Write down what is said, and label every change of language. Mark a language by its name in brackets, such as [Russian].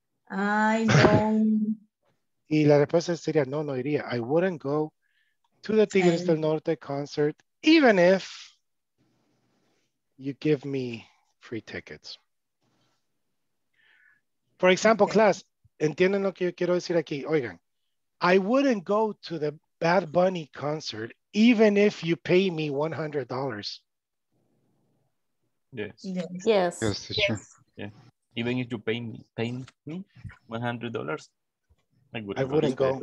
[English] I don't. [Spanish] Y la respuesta sería, no, no iría. [English] I wouldn't go to the Tigres del Norte concert, even if you give me free tickets. For example, class, [Spanish] entienden lo que yo quiero decir aquí. Oigan, [English] I wouldn't go to the Bad Bunny concert even if you pay me $100. Yes. Yes. Yes. Yes. Sure. Yeah. Even if you pay me $100, I wouldn't go.